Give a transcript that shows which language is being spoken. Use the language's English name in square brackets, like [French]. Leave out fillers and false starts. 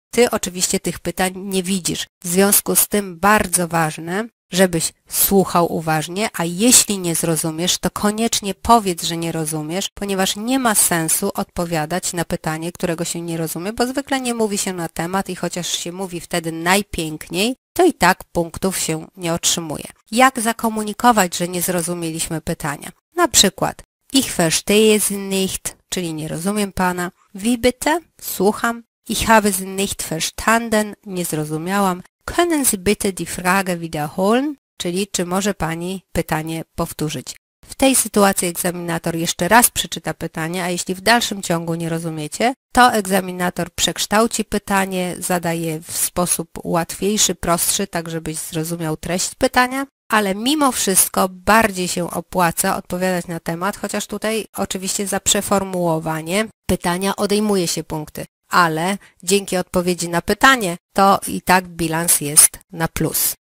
[Polish] Ty oczywiście tych pytań nie widzisz. W związku z tym bardzo ważne, żebyś słuchał uważnie, a jeśli nie zrozumiesz, to koniecznie powiedz, że nie rozumiesz, ponieważ nie ma sensu odpowiadać na pytanie, którego się nie rozumie, bo zwykle nie mówi się na temat i chociaż się mówi wtedy najpiękniej, to i tak punktów się nie otrzymuje. Jak zakomunikować, że nie zrozumieliśmy pytania? Na przykład, [German] ich verstehe Sie nicht, [Polish] czyli nie rozumiem pana. [German] Wie bitte? [Polish] Słucham. [German] Ich habe Sie nicht verstanden, [Polish] nie zrozumiałam. [German] Können Sie bitte die Frage wiederholen? [Polish] Czyli czy może pani pytanie powtórzyć? W tej sytuacji egzaminator jeszcze raz przeczyta pytanie, a jeśli w dalszym ciągu nie rozumiecie, to egzaminator przekształci pytanie, zada je w sposób łatwiejszy, prostszy, tak żebyś zrozumiał treść pytania, ale mimo wszystko bardziej się opłaca odpowiadać na temat, chociaż tutaj oczywiście za przeformułowanie pytania odejmuje się punkty, ale dzięki odpowiedzi na pytanie to i tak bilans jest na plus.